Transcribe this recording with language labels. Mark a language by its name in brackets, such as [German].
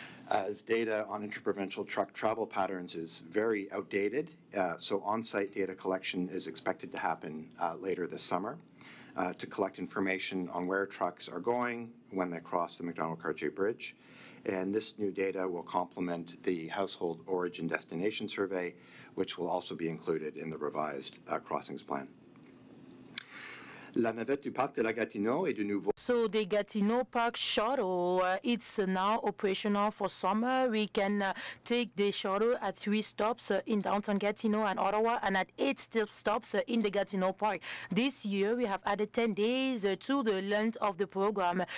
[English] As data on interprovincial truck travel patterns is very outdated, so on-site data collection is expected to happen later this summer to collect information on where trucks are going when they cross the McDonnell-Cartier Bridge. And this new data will complement the Household Origin Destination Survey, which will also be included in the revised crossings plan. [French] La navette du parc de la Gatineau est de nouveau. [English] So the Gatineau Park shuttle, it's now operational for summer. We can take the shuttle at 3 stops in downtown Gatineau and Ottawa, and at 8 stops in the Gatineau Park. This year, we have added 10 days to the length of the program.